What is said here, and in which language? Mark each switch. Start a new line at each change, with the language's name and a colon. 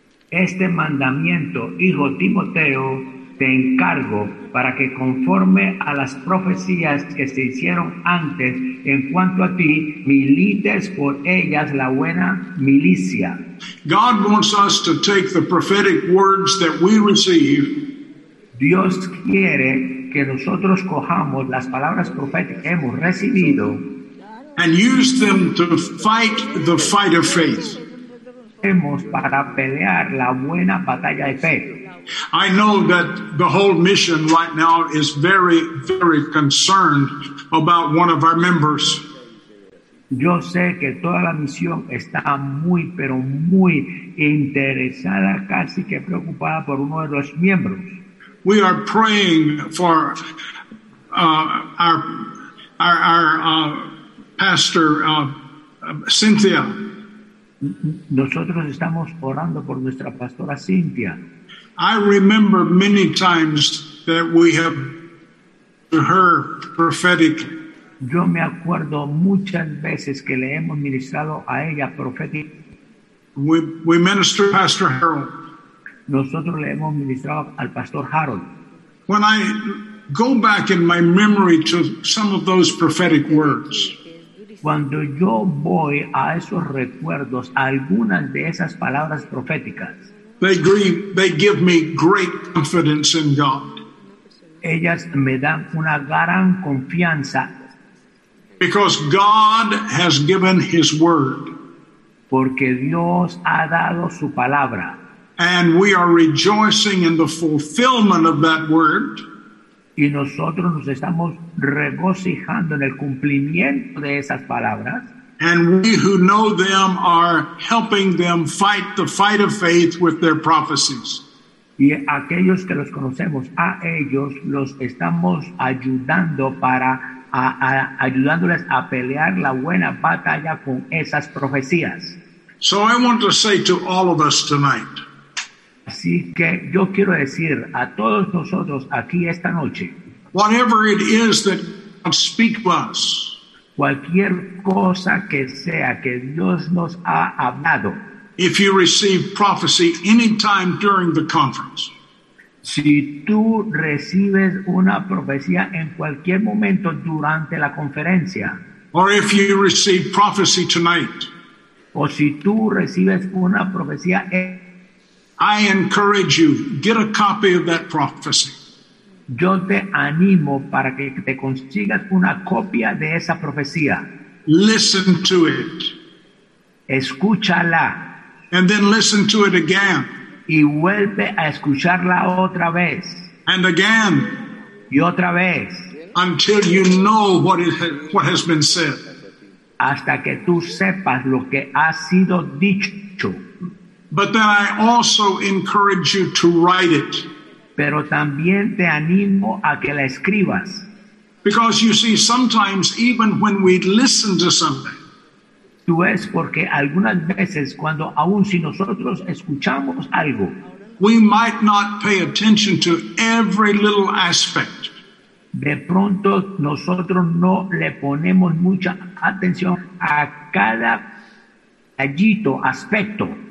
Spanish: Este mandamiento, hijo Timoteo, te encargo para que conforme a las profecías que se hicieron antes en cuanto a ti, milites por ellas la buena milicia.
English: God wants us to take the prophetic words that we receive.
Spanish: Dios quiere que nosotros cojamos las palabras proféticas que hemos recibido
English: and use them to fight the fight of faith.
Spanish: Hemos para pelear la buena batalla de fe.
English: I know that the whole mission right now is very, very concerned about one of our members.
Spanish: Yo sé que toda la misión está muy, pero muy interesada, casi que preocupada por uno de los miembros.
English: We are praying for our pastor, Cynthia.
Spanish: Nosotros estamos orando por nuestra pastora Cynthia.
English: I remember many times that we have heard prophetically.
Spanish: Yo me acuerdo muchas veces que le hemos ministrado a ella proféticamente.
English: We minister Pastor Harold.
Spanish: Nosotros le hemos ministrado al Pastor Harold.
English: When I go back in my memory to some of those prophetic words,
Spanish: Cuando yo voy a esos recuerdos, a algunas de esas palabras proféticas,
English: they give me great confidence in God.
Spanish: Ellas me dan una gran confianza.
English: Because God has given his word.
Spanish: Porque Dios ha dado su palabra.
English: And we are rejoicing in the fulfillment of that word.
Spanish: Y nosotros nos estamos regocijando en el cumplimiento de esas palabras.
English: And we who know them are helping them fight the fight of faith with their prophecies.
Spanish: Y aquellos que los conocemos, a ellos los estamos ayudando para ayudándoles a pelear la buena batalla con esas profecías.
English: So I want to say to all of us tonight.
Spanish: Así que yo quiero decir a todos nosotros aquí esta noche.
English: Whatever it is that God speaks to us.
Spanish: Cualquier cosa que sea que Dios nos ha hablado.
English: If you receive prophecy anytime during the conference.
Spanish: Si tú recibes una profecía en cualquier momento durante la conferencia.
English: Or if you receive prophecy tonight.
Spanish: O si tú recibes una profecía en...
English: I encourage you, get a copy of that prophecy.
Spanish: Yo te animo para que te consigas una copia de esa profecía.
English: Listen to it.
Spanish: Escúchala.
English: And then listen to it again.
Spanish: Y vuelve a escucharla otra vez.
English: And again.
Spanish: Y otra vez.
English: Until you know what has been said.
Spanish: Hasta que tú sepas lo que ha sido dicho.
English: But then I also encourage you to write it.
Spanish: Pero también te animo a que la escribas.
English: Because you see, sometimes even when we listen to something.
Spanish: Tú ves, porque algunas veces cuando aún si nosotros escuchamos algo.
English: We might not pay attention to every little aspect.
Spanish: De pronto nosotros no le ponemos mucha atención a cada tallito, aspecto.